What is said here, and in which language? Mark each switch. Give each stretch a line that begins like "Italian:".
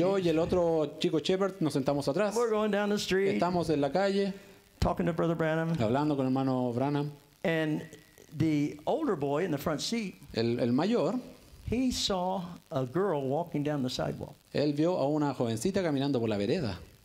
Spanish: Yo y el otro chico shepherd nos sentamos atrás.
English: We're going down the street.
Spanish: Estamos en la calle.
English: Talking to Brother Branham.
Spanish: Hablando con hermano Branham.
English: And the older boy in the front seat,
Spanish: el mayor,
English: he saw a girl walking down the sidewalk.
Spanish: Él vio a una jovencita caminando por la vereda.